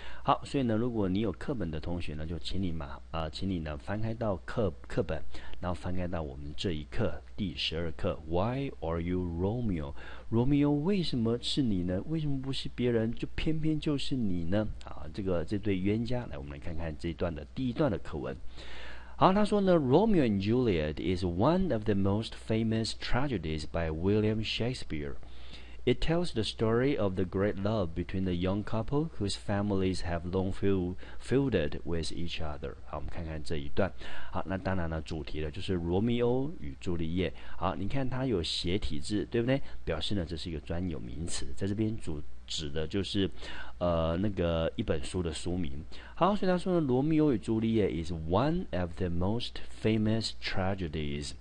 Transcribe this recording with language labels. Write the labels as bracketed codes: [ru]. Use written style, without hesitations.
[zh] 好，所以呢，如果你有课本的同学呢，就请你嘛，请你呢翻开到课本，然后翻开到我们这一课第12课， [en] Why are you Romeo？ [zh] 罗密欧为什么是你呢？为什么不是别人，就偏偏就是你呢？啊，这对冤家，来，我们来看看这一段的第一段的课文。好，他说呢， [en] Romeo and Juliet is one of the most famous tragedies by William Shakespeare. It tells the story of the great love between the young couple whose families have long feuded with each other. [zh] 好，我们看看这一段。好，那当然呢，主题呢就是罗密欧与朱丽叶。好，你看它有斜体字，对不对？表示呢这是一个专有名词，在这边指的就是，那个一本书的书名。好，所以他说呢，《罗密欧与朱丽叶》 [en] is one of the most famous tragedies。